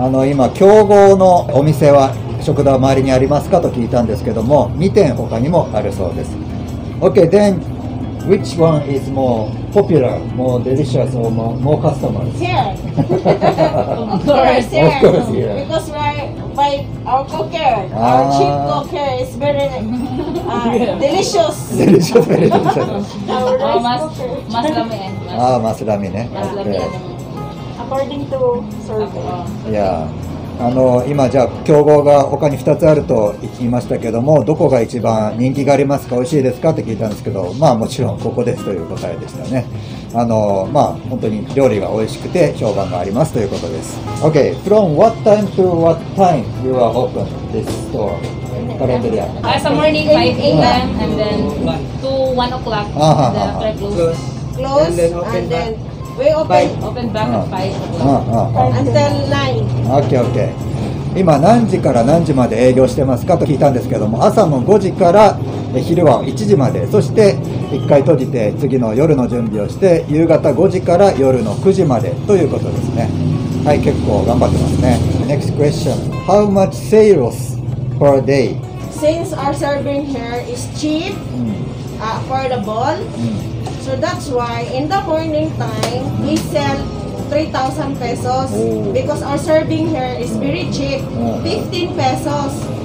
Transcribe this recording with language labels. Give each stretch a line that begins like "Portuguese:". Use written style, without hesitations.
Japanese: 今、競合のお店は、食堂は周りにありますかと聞いたんですけども、2店他にもあるそうです。
English: Okay, then, which one is more popular, more delicious, or more customers? Here. Of course, here. Of course, here. Because our cooker, our chief cooker is very delicious. Delicious.
Filipino: Maslami. Maslami, ね。 Maslami.
English: According to survey.
Japanese: いや、今じゃあ競合が他に2つあると言いましたけども、どこが一番人気がありますか、美味しいですかって聞いたんですけど、まあもちろんここですという答えでしたね。本当に料理が美味しくて評判がありますということです。
English: OK, from what time to what time you are open this store? Calendaria. As a morning, 5 a.m. and then 2, 1 o'clock. Uh-huh. And then after close. We open back at 5 until 9. Okay, okay.
Japanese: 今何時から何時まで営業してますかと聞いたんですけども、朝の5時から昼は1時まで、そして1回閉じて次の夜の準備をして、夕方5時から夜の9時までということですね。はい、結構頑張ってますね。
English: Next question. How much sales per day? Since our serving here is cheap, affordable,So that's why in the morning time we sell 3,000 pesos because our serving here is very cheap, 15 pesos.